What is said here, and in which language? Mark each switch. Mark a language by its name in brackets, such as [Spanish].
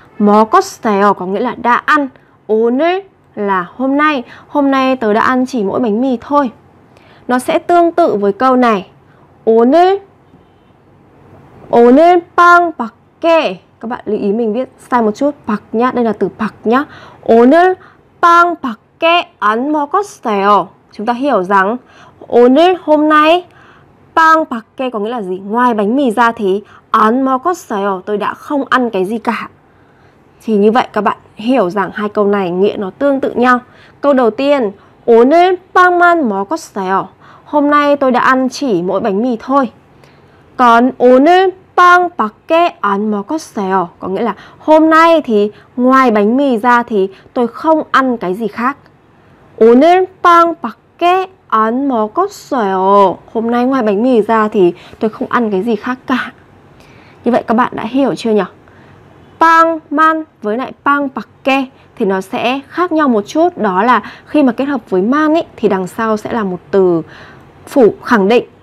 [Vietnamese] 먹었어요 có nghĩa là đã ăn. 오늘 là hôm nay. Hôm nay tôi đã ăn chỉ mỗi bánh mì thôi. Nó sẽ tương tự với câu này. [Korean] 오늘 빵 밖에. [Vietnamese] Các bạn lưu ý mình viết sai một chút. 밖 nhá, đây là từ 밖 nhá. [Korean] 오늘 빵 밖에 안 먹었어요. [Vietnamese] Chúng ta hiểu rằng 오늘 hôm nay 빵 밖에 có nghĩa là gì? Ngoài bánh mì ra thì 안 먹었어요. Tôi đã không ăn cái gì cả. Thì như vậy các bạn hiểu rằng hai câu này nghĩa nó tương tự nhau. Câu đầu tiên 오늘 빵만 먹었어요. Hôm nay tôi đã ăn chỉ mỗi bánh mì thôi. Còn 오늘 빵 밖에 안 먹었어요 có nghĩa là hôm nay thì ngoài bánh mì ra thì tôi không ăn cái gì khác. [Korean] 오늘 빵 밖에 안 먹었어요. [Vietnamese] Hôm nay ngoài bánh mì ra thì tôi không ăn cái gì khác cả. Như vậy các bạn đã hiểu chưa nhỉ? 빵 man với lại 빵 밖에 thì nó sẽ khác nhau một chút, đó là khi mà kết hợp với man ấy thì đằng sau sẽ là một từ phủ khẳng định.